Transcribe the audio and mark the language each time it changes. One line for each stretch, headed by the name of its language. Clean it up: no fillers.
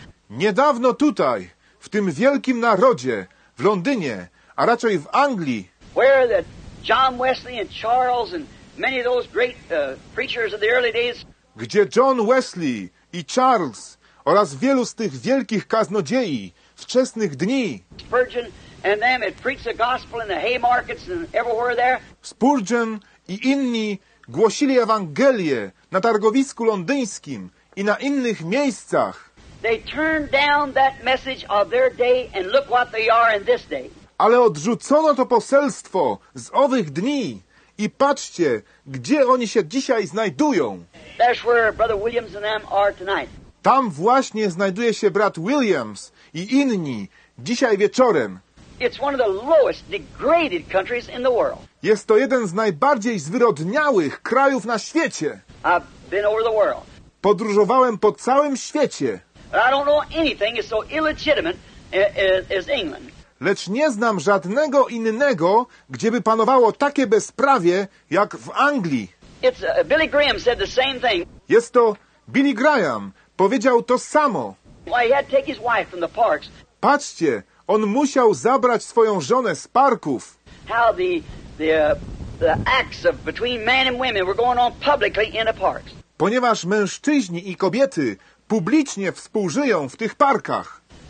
Polish: Niedawno tutaj, w tym wielkim narodzie, w Londynie, a raczej w Anglii,
English: where the John Wesley and Charles and many of those great preachers of the early days.
Polish: Gdzie John Wesley i Charles oraz wielu z tych wielkich kaznodziei wczesnych dni.
English: Spurgeon and them had preached the gospel in the hay markets and everywhere there.
Polish: Spurgeon i inni głosili Ewangelię na targowisku londyńskim i na innych miejscach.
English: They turned down that message of their day and look what they are in this day.
Polish: Ale odrzucono to poselstwo z owych dni i patrzcie, gdzie oni się dzisiaj znajdują.
English: That's where Brother Williams and them are tonight.
Polish: Tam właśnie znajduje się brat Williams i inni dzisiaj wieczorem.
English: It's one of the lowest degraded countries in the world.
Polish: Jest to jeden z najbardziej zwyrodniałych krajów na świecie.
English: I've been over the world.
Polish: Podróżowałem po całym świecie.
English: I don't know anything is so illegitimate as England.
Polish: Lecz nie znam żadnego innego, gdzie by panowało takie bezprawie, jak w Anglii.
English: It's, Billy Graham said the same thing.
Polish: Jest to Billy Graham. Powiedział to samo.
English: Well, he had to take his wife from the parks.
Polish: Patrzcie, on musiał zabrać swoją żonę z parków.
English: How the acts of between man and women were going on publicly in the parks.
Polish: Ponieważ mężczyźni i kobiety publicznie współżyją w tych parkach.